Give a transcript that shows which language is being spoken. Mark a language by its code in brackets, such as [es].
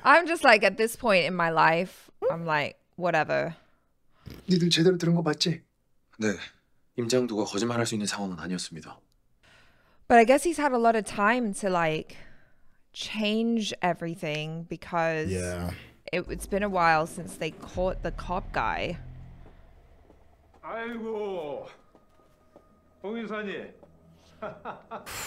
[en] I'm just like at this point in my life, I'm like, whatever. [ko] 니들 제대로 들은 거 맞지? 네. 임장도가 거짓말할 수 있는 상황은 아니었습니다. [en] But I guess he's had a lot of time to like change everything because yeah. it's been a while since they caught the cop guy. [ko] 아이고, 홍인사님. 하하하.